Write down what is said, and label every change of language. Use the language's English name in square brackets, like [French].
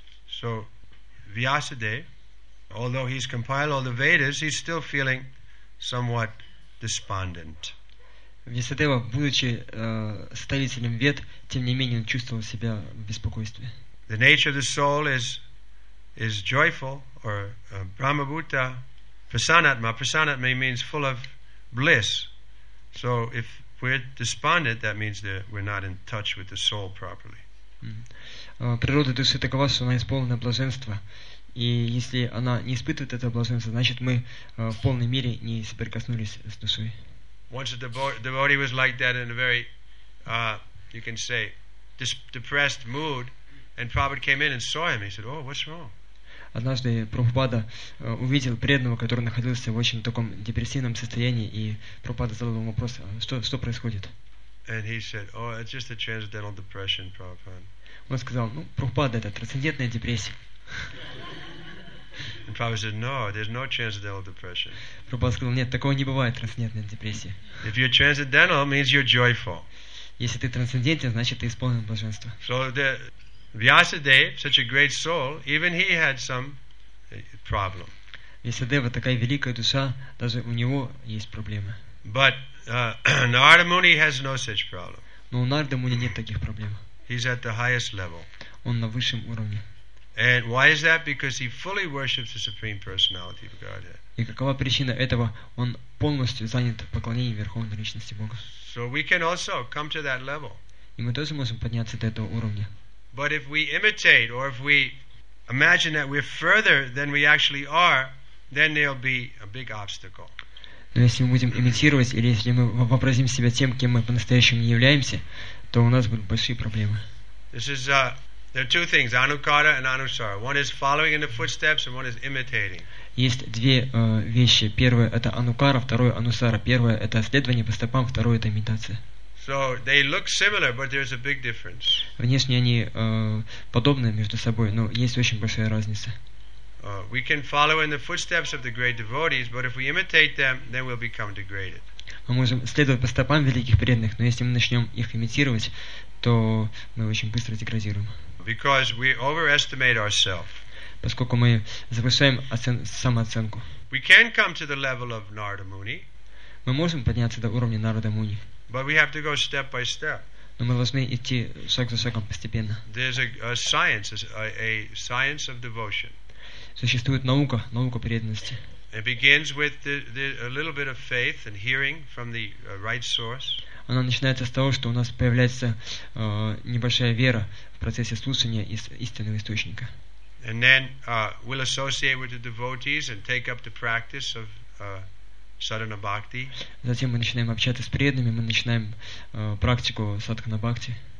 [English] So Vyasadeva, although he's compiled all the Vedas, he's still feeling somewhat despondent. [Russian] Vyasadeva, будучи ставителем Вед, тем не менее он чувствовал себя в беспокойстве. [English] The nature of the soul is joyful, or Brahma-bhuta, prasanatma. Prasanatma means full of bliss. So if we're despondent, that means that we're not in touch with the soul properly. [Russian] Природа души такова, что она исполнена блаженства. И если она не испытывает это блаженство, значит, мы в полной мере не соприкоснулись с душой. [English] Once a devotee was like that in a very, you can say, depressed mood, and Prabhupada came in and saw him. He said, oh, what's wrong? [Russian] Однажды Прабхупада увидел преданного, который находился в очень таком депрессивном состоянии, и Прабхупада задал ему вопрос, что происходит? [English] And he said, oh, it's just a transcendental depression, Prabhupada. [Russian] Он сказал, ну, Прабхупада, это трансцендентная депрессия. [English] And Prabhupada said, no, there's no transcendental depression. [Russian] Прабхупада сказал, нет, такого не бывает, трансцендентной депрессии. [English] If you're transcendental, it means you're joyful. [Russian] Если ты трансцендентен, значит, ты исполнен блаженства. [English] So the Vyasadeva, such a great soul, even he had some problem. [Russian] Vyasadeva, такая великая душа, даже у него есть проблемы. [English] But Narada Muni has no such problem. [Russian] Но у Нарада Муни нет таких проблем. [English] He's at the highest level. [Russian] Он на высшем уровне. [English] And why is that? Because he fully worships the Supreme Personality of Godhead. [Russian] И какова причина этого? Он полностью занят поклонением Верховной Личности Бога. [English] So we can also come to that level. [Russian] И мы тоже можем подняться до этого уровня. [English] But if we imitate or if we imagine that we're further than we actually are, then there'll be a big obstacle. [Russian] Но если мы будем имитировать или если мы вообразим себя тем, кем мы по-настоящему не являемся, то у нас будут большие проблемы. [English] This is there are two things, anukara and anusara. One is following in the footsteps and one is imitating. [Russian] Есть две вещи. Первое это анукара, второе анусара. Первое это следование по стопам, второе это имитация. [English] So they look similar, but there's a big difference. [Russian] Внешне они подобны между собой, но есть очень большая разница. [English] We can follow in the footsteps of the great devotees, but if we imitate them, then we'll become degraded. [Russian] Мы можем следовать по стопам великих преданных, но если мы начнем их имитировать, то мы очень быстро деградируем. [English] Because we overestimate ourselves. [Russian] Поскольку мы завышаем самооценку. [English] We can come to the level of Narada Muni. [Russian] Мы можем подняться до уровня Нарада Муни. [English] But we have to go step by step. [Russian] Но мы должны идти шаг за шагом постепенно. [English] There's a science of devotion. [Russian] Существует наука, наука преданности. [English] It begins with a little bit of faith and hearing from the right source. [Russian] Она начинается с того, что у нас появляется небольшая вера в процессе слушания из истинного источника. [English] And then we'll associate with the devotees and take up the practice of sadhana bhakti. [Russian] Затем мы начинаем общаться с преданными, мы начинаем практику садхана бхакти.